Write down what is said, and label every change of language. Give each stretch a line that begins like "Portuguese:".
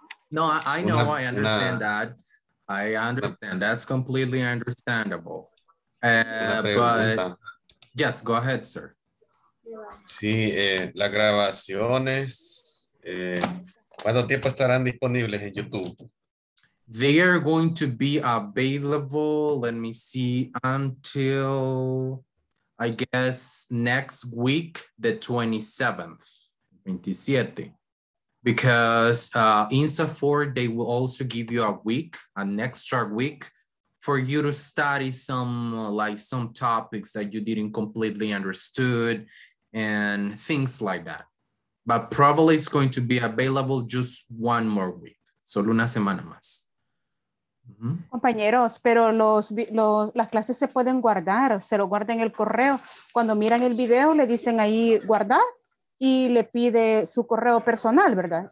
English: No, I know, I understand that. I understand, that's completely understandable. Yes, go ahead, sir.
Spanish: Sí, las grabaciones, ¿cuánto tiempo estarán disponibles en YouTube?
English: They are going to be available, let me see, until, I guess, next week, the 27th, 27. Because INSAFORP, they will also give you an extra week. For you to study some topics that you didn't completely understood and things like that. But probably it's going to be available just one more week.
Spanish: Solo una semana más. Mm-hmm. Compañeros, pero las clases se pueden guardar, se lo guardan en el correo. Cuando miran el video, le dicen ahí guardar y le pide su correo personal, ¿verdad?